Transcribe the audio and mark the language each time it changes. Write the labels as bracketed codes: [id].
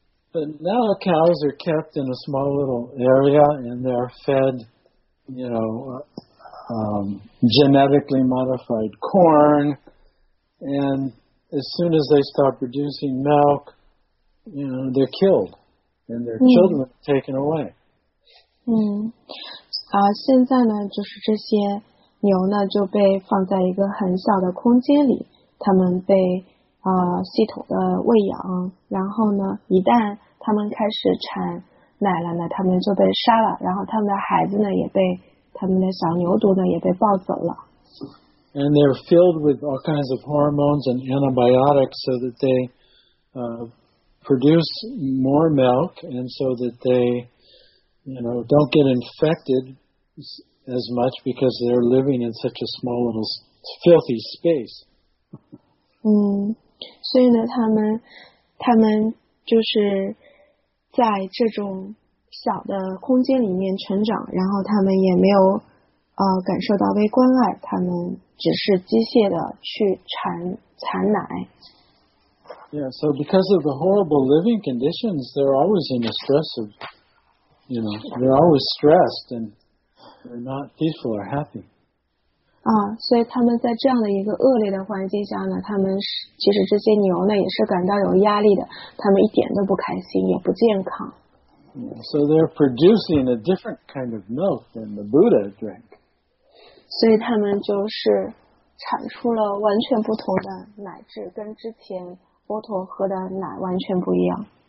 [en] But now cows are kept in a small little area and they're fed, you know, genetically modified corn. And as soon as they start producing milk, you know, they're killed. And their children are taken away. [zh] 现在呢，就是这些牛呢就被放在一个很小的空间里，他们被系统的喂养，然后呢，一旦他们开始产奶了呢，他们就被杀了，然后他们的孩子呢也被他们的小牛犊呢也被抱走了。 [en] And they're filled with all kinds of hormones and antibiotics so that they, produce more milk and so that they, you know, don't get infected as much because they're living in such a small little filthy space. [zh] 所以呢他们就是在这种小的空间里面成长，然后他们也没有感受到被关爱，他们只是机械的去产奶。 [en] Yeah, so because of the horrible living conditions, they're always in a stress of, you know, they're always stressed and they're not peaceful or happy. [zh] 所以他们在这样的一个恶劣的环境下呢，他们其实这些牛呢也是感到有压力的，他们一点都不开心，也不健康。 [en] So they're producing a different kind of milk than the Buddha drank. [zh] 所以他们就是产出了完全不同的奶质，跟之前波陀喝的奶完全不一样。